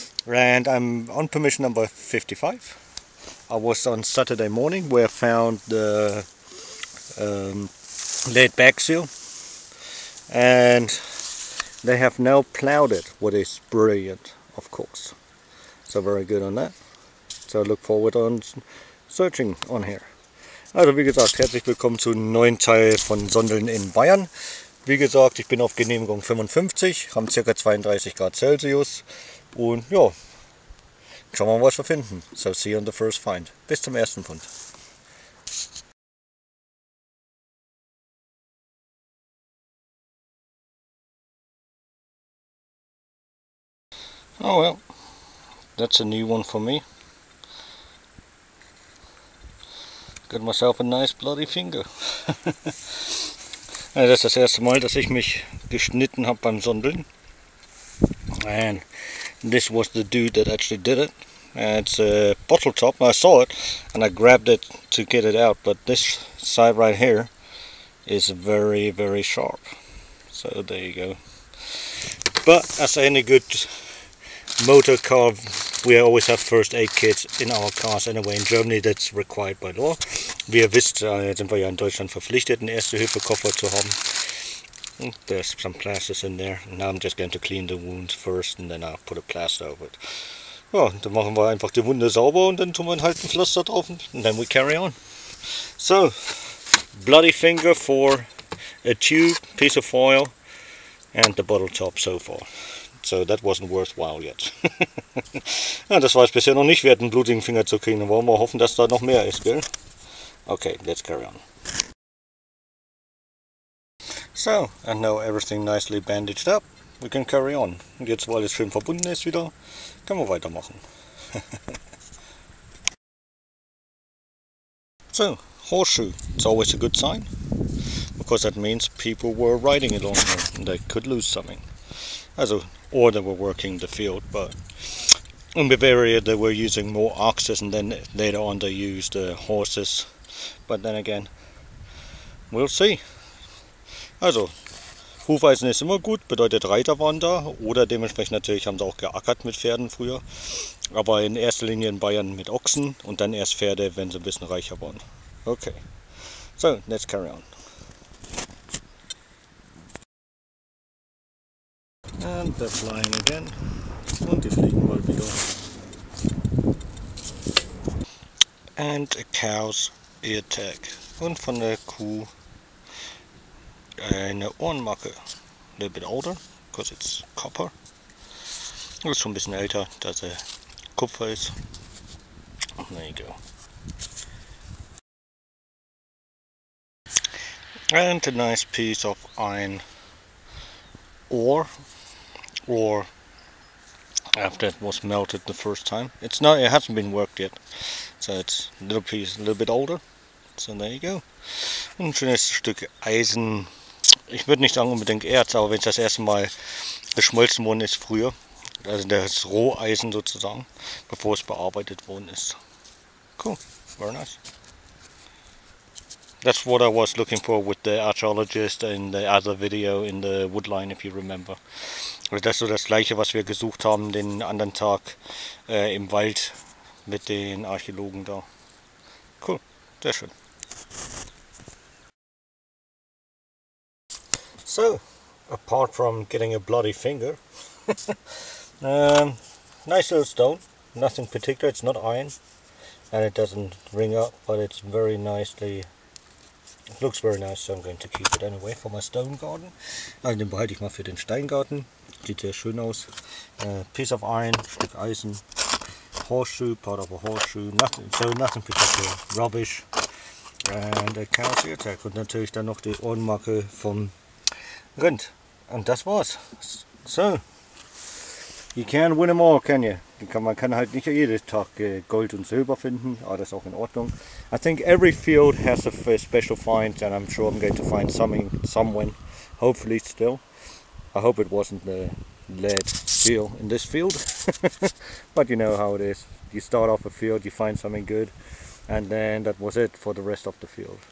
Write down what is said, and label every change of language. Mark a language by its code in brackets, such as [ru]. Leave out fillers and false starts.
[en] And I'm on permission number 55. I was on Saturday morning where I found the lead bag seal, and they have now plowed it, which is brilliant, of course. So very good on that. So I look forward on searching on here. [de] Also, wie gesagt, herzlich willkommen zu einem neuen Teil von Sondeln in Bayern. Wie gesagt, ich bin auf Genehmigung 55, haben ca. 32 Grad Celsius und ja. Schauen wir mal, was wir finden. [en] So, see you on the first find. [de] Bis zum ersten Fund. [en] Oh well, that's a new one for me. Got myself a nice bloody finger. [de] Das ist das erste Mal, dass ich mich geschnitten habe beim Sondeln. [en] And this was the dude that actually did it. It's a bottle top. I saw it and I grabbed it to get it out, but this side right here is very, very sharp. So there you go. But as any good motor car, we always have first aid kits in our cars anyway. In Germany that's required by law. [de] Wir wissen, sind wir ja in Deutschland verpflichtet, einen Erste-Hilfe-Koffer zu haben. [en] There's some plasters in there. Now I'm just going to clean the wound first and then I'll put a plaster over it. [de] Ja, dann machen wir einfach die Wunde sauber und dann tun wir halt ein Pflaster drauf und [en] then we carry on. So, bloody finger for a tube, piece of foil and the bottle top so far. So that wasn't worthwhile yet. [de] Ja, das war es bisher noch nicht wert, einen blutigen Finger zu kriegen. Dann wollen wir hoffen, dass da noch mehr ist, gell? [en] Okay, let's carry on. So, and now everything nicely bandaged up. We can carry on. [de] Und jetzt, wo alles schön verbunden ist wieder, können wir weitermachen. [en] So, horseshoe. It's always a good sign. Because that means people were riding along here and they could lose something. Also, or they were working the field, but in Bavaria they were using more oxes and then later on they used horses. But then again, we'll see. [de] Also, Hufeisen ist immer gut, bedeutet Reiter waren da oder dementsprechend natürlich haben sie auch geackert mit Pferden früher. Aber in erster Linie in Bayern mit Ochsen und dann erst Pferde, wenn sie ein bisschen reicher waren. [en] Okay, so let's carry on. And they're flying again. [de] Und die fliegen mal wieder. [en] And a cow's ear tag. [de] Und von der Kuh. Eine Ohrenmarke, [en] a little bit older, because it's copper. [de] Ist schon ein bisschen älter, da es Kupfer ist. [en] There you go. And a nice piece of iron ore. Or after it was melted the first time. It's not, it hasn't been worked yet. So it's a little piece, a little bit older. So there you go. [de] Ein schönes Stück Eisen. Ich würde nicht sagen unbedingt Erz, aber wenn es das erste Mal geschmolzen worden ist früher, also das Roheisen sozusagen, bevor es bearbeitet worden ist. [en] Cool, very nice. That's what I was looking for with the archaeologist in the other video in the woodline, if you remember. [de] Also das ist so das gleiche, was wir gesucht haben den anderen Tag im Wald mit den Archäologen da. Cool, sehr schön. [en] So, apart from getting a bloody finger, nice little stone, nothing particular, it's not iron, and it doesn't ring up, but it's very nicely, it looks very nice, so I'm going to keep it anyway for my stone garden. [de] Also, den behalte ich mal für den Steingarten, sieht sehr schön aus. [en] Piece of iron, [de] Stück Eisen, [en] horseshoe, part of a horseshoe, nothing, so nothing particular, rubbish, and a cow's ear tag, [de] und natürlich dann noch die Ohrenmarke vom Rind. Und das war's. [en] So. You can't win them all, can you? [de] Man kann halt nicht jeden Tag Gold und Silber finden, aber das ist auch in Ordnung. [en] I think every field has a special find, and I'm sure I'm going to find something, someone, hopefully still. I hope it wasn't the lead seal in this field, but you know how it is. You start off a field, you find something good, and then that was it for the rest of the field.